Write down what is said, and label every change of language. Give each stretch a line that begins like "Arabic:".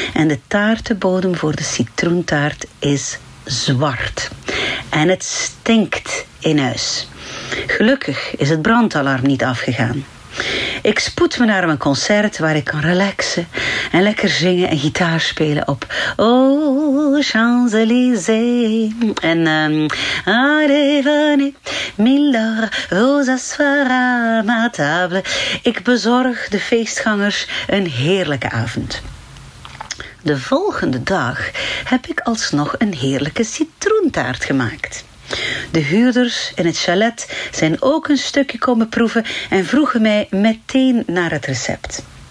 Dutch: En de taartenbodem voor de citroentaart is zwart. En het stinkt in huis. Gelukkig is het brandalarm niet afgegaan. Ik spoed me naar mijn concert waar ik kan relaxen en lekker zingen en gitaar spelen op Oh, Champs-Élysées.
French: En allez, venez, milord, vous asseoir à ma table.
Dutch: Ik bezorg de feestgangers een heerlijke avond. De volgende dag heb ik alsnog een heerlijke citroentaart gemaakt. De huurders in het chalet zijn ook een stukje komen proeven en vroegen mij meteen naar het recept.